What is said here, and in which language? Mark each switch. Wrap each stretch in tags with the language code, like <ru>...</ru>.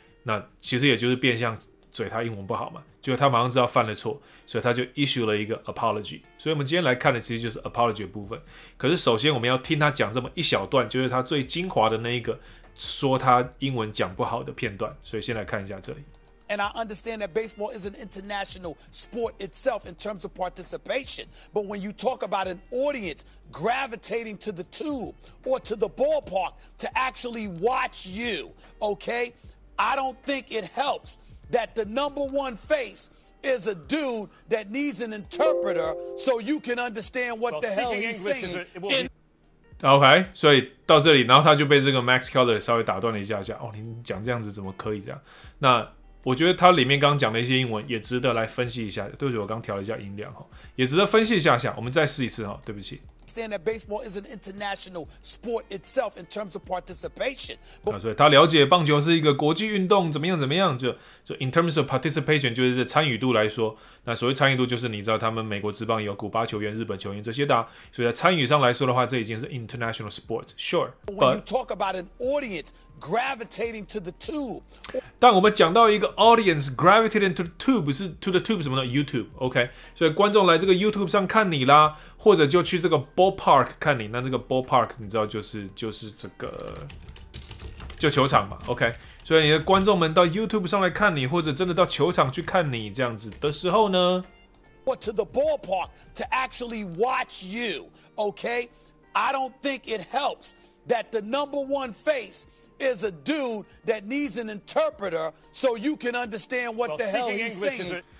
<zh>那其实也就是变相嘴他英文不好嘛，结果他马上知道犯了错，所以他就 issue 了一个 apology。所以我们今天来看的其实就是 apology 的部分。可是首先我们要听他讲这么一小段，就是他最精华的那一个说他英文讲不好的片段，所以先来看一下这里。</zh> <en>And I understand that baseball is an international sport itself in terms of participation, but when you talk about an audience gravitating to the tube or to the ballpark to actually watch you, okay, I don't think it helpsThat the number one face is a dude that needs an interpreter so you can understand what the hell he's saying.</en> <zh>OK， 所以到这里，然后他就被这个 Max Keller 稍微打断了一下下。哦，你讲这样子怎么可以这样？那我觉得他里面刚讲的一些英文也值得来分析一下。对不起，我刚调了一下音量哈，也值得分析一下下。我们再试一次哈，对不起。</zh> <en>Understand that baseball is an international sport itself in terms of participation.</en> <zh>啊，所以他了解棒球是一个国际运动，怎么样怎么样？就</zh> <en>in terms of participation，</en> <zh>就是参与度来说。那所谓参与度，就是你知道他们美国职棒有古巴球员、日本球员这些的，所以在参与上来说的话，这已经是</zh> <en>international sport. Sure. But when you talk about an audience gravitating to the tube，</en> <zh>但我们讲到一个</zh> <en>audience gravitating to the tube</en> <zh>是</zh> <en>to the tube</en> <zh>什么呢 ？YouTube. OK， 所以观众来这个 YouTube 上看你啦。或者就去这个 ballpark 看你，那这个 ballpark 你知道就是这个就球场嘛 ，OK？所以你的观众们到 YouTube 上来看你，或者真的到球场去看你这样子的时候呢</zh> <en>？Or to the ballpark to actually watch you, OK? I don't think it helps that the number one face is a dude that needs an interpreter so you can understand what the hell he's saying.</en>